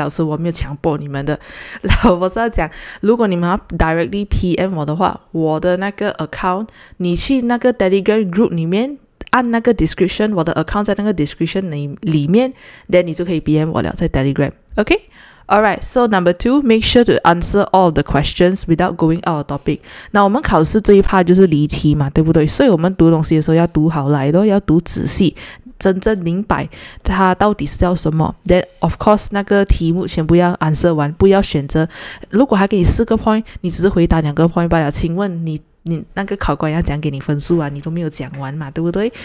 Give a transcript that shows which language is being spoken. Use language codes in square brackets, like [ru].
[zh] 老师我没有强迫你们的，我是要讲，如果你们要 [en] directly PM [zh] 我的话，我的那个 account， 你去那个 Telegram group 里面按那个 description， 我的 account 在那个 description 里面， then 你就可以 PM 我了，在 Telegram。 OK。 [en] Alright, so number two, make sure to answer all the questions without going out of topic. [zh] 那我们考试这一 part 就是离题嘛，对不对？所以我们读东西的时候要读好来咯，要读仔细，真正明白它到底是要什么。 [en] Then, of course, [zh] 那个题目全部要 answer 完，不要选择。如果还给你四个 point, 你只是回答两个 point 罢了，请问你那个考官要讲给你分数啊，你都没有讲完嘛，对不对？